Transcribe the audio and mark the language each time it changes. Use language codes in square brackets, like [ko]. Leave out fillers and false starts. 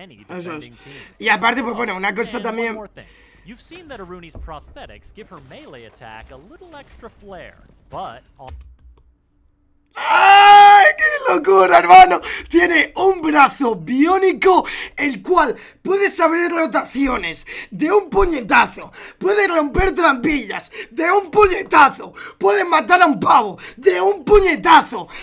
[es] Eso es. Y aparte, pues bueno, una cosa también. [en] You've seen that Aruni's prosthetics give her melee attack a little extra flair, but. [es] ¡Ay, qué locura, hermano! Tiene un brazo biónico, el cual puede abrir rotaciones de un puñetazo, puede romper trampillas de un puñetazo, puede matar a un pavo de un puñetazo.